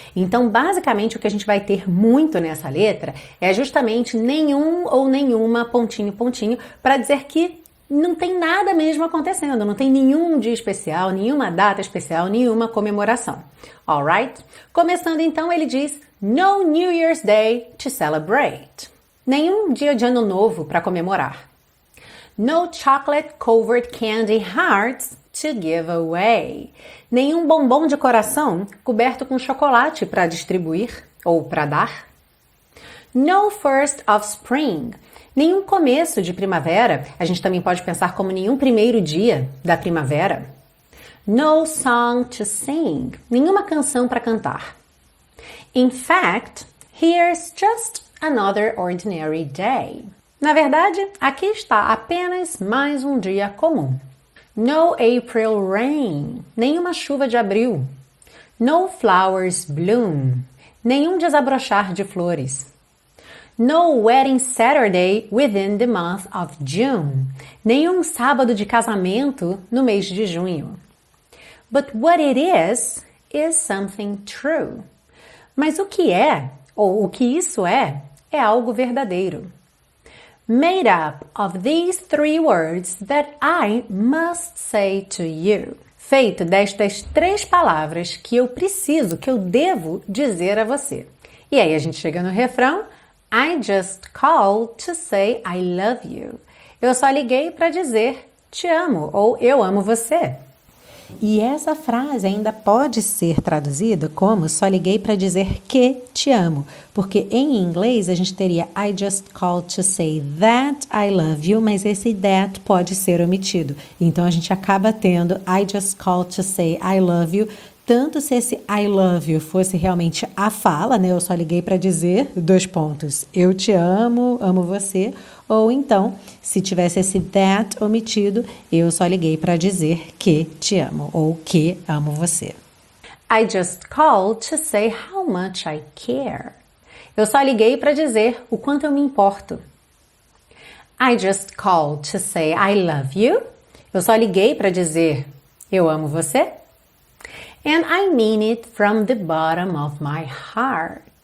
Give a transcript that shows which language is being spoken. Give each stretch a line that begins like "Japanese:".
Portuguese: Então, basicamente, o que a gente vai ter muito nessa letra é justamente nenhum ou nenhuma pontinho, pontinho, para dizer que não tem nada mesmo acontecendo, não tem nenhum dia especial, nenhuma data especial, nenhuma comemoração. Alright? Começando então, ele diz,
English: no New Year's Day to celebrate.
Portuguese: Nenhum dia de ano novo para comemorar.
English: No chocolate-covered candy hearts to give away.
Portuguese: Nenhum bombom de coração coberto com chocolate para distribuir ou para dar.
English: No first of spring.
Portuguese: Nenhum começo de primavera. A gente também pode pensar como nenhum primeiro dia da primavera.
English: No song to sing.
Portuguese: Nenhuma canção para cantar.
English: In fact, here's just another ordinary day.
Portuguese: Na verdade, aqui está apenas mais um dia comum.
English: No April rain.
Portuguese: Nenhuma chuva de abril.
English: No flowers bloom.
Portuguese: Nenhum desabrochar de flores.
English: No wedding Saturday within the month of June.
Portuguese: Nenhum sábado de casamento no mês de junho.
English: But what it is something true.
Portuguese: Mas o que é, ou o que isso é, é algo verdadeiro.
English: Made up of these three words that I must say to you.
Portuguese: Feito destas três palavras que eu preciso, que eu devo dizer a você. E aí a gente chega no refrão.
English: I just called to say I love you.
Portuguese: Eu só liguei para dizer te amo ou eu amo você. E essa frase ainda pode ser traduzida como só liguei para dizer que te amo. Porque em inglês a gente teria
English: I just called to say that I love you,
Portuguese: mas esse that pode ser omitido. Então a gente acaba tendo
English: I just called to say I love you.
Portuguese: Tanto se esse
English: I love you
Portuguese: fosse realmente a fala, né? Eu só liguei para dizer, dois pontos, eu te amo, amo você. Ou então, se tivesse esse that omitido, eu só liguei para dizer que te amo ou que amo você.
English: I just called to say how much I care.
Portuguese: Eu só liguei para dizer o quanto eu me importo.
English: I just called to say I love you.
Portuguese: Eu só liguei para dizer eu amo você.
English: And I mean it from the bottom of my heart.